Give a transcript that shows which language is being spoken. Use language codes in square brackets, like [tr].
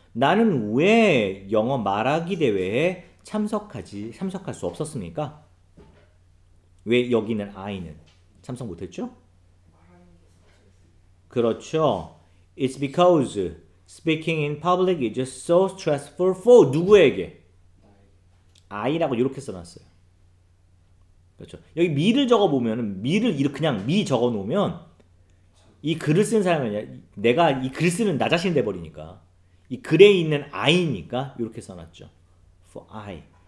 [ko] 나는 왜 영어 말하기 대회에 참석할 수 없었습니까? 왜 여기 있는 아이는 참석 못했죠? 그렇죠. [en] It's because speaking in public is so stressful for [ko] 누구에게? 아이라고 이렇게 써놨어요. 그렇죠. 여기 me를 적어보면, me를 이렇게 그냥 me 적어놓으면, 이 글을 쓴 사람이 아니라, 내가 이글 쓰는 나 자신이 돼버리니까. 이 글에 있는 아이니까, 이렇게 써놨죠. [en] For I.